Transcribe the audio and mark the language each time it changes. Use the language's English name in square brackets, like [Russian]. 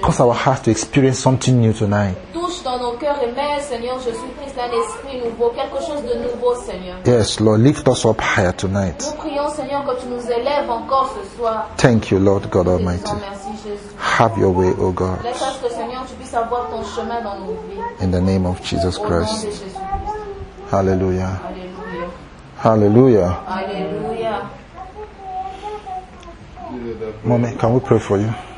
[English] Cause our hearts to experience something new tonight. [French] Touche dans nos cœurs et mets, Seigneur Jésus-Christ, un esprit nouveau, quelque chose de nouveau, Seigneur. [English] Yes, Lord, lift us up higher tonight. [French] Nous prions, Seigneur, que tu nous élèves encore ce soir. [English] Thank you, Lord God Almighty. Have your way, O God. [French] Laisse que, Seigneur, tu puisses avoir ton chemin dans nos vies. [English] In the name of Jesus Christ. [French] Au nom de Jésus-Christ. [English] Hallelujah. Hallelujah. Hallelujah. Hallelujah. Mommy, can we pray for you?